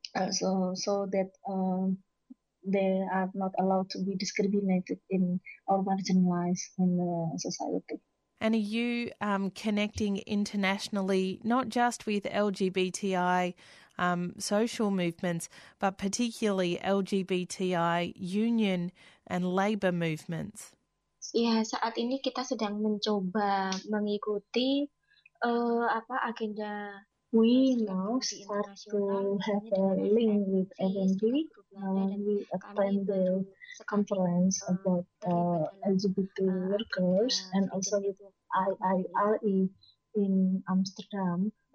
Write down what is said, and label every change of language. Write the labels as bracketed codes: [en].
[en] so that they are not allowed to be discriminated in or marginalized in the society. And are you connecting internationally, not just with LGBTI social movements, but particularly LGBTI union and labor movements? [id] Ya, saat ini kita sedang mencoba mengikuti agenda. [en] We now start to have a link with FNP. We attend the conference about LGBT workers and also with IIRE in Amsterdam.